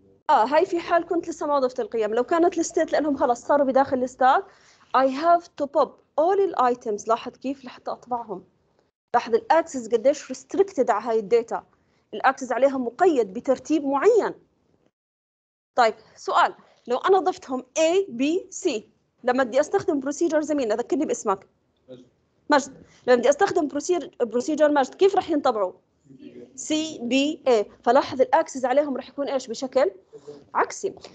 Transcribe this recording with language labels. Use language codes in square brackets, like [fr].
[ar] هاي في حال كنت لسه ما ضفت القيم، لو كانت لستيت لانهم خلص صاروا بداخل الستاك. [en] I have to pop all the items، [ar] لاحظ كيف لحتى اطبعهم. لاحظ الاكسس قديش restricted على هاي الداتا، الاكسس عليها مقيد بترتيب معين. طيب سؤال، لو انا ضفتهم A B C لما بدي استخدم procedure زمين، اذكرني باسمك مجد. لما بدي استخدم procedure مجد كيف رح ينطبعوا؟ سي بي اي، فلاحظ الاكسس عليهم رح يكون ايش؟ بشكل عكسي.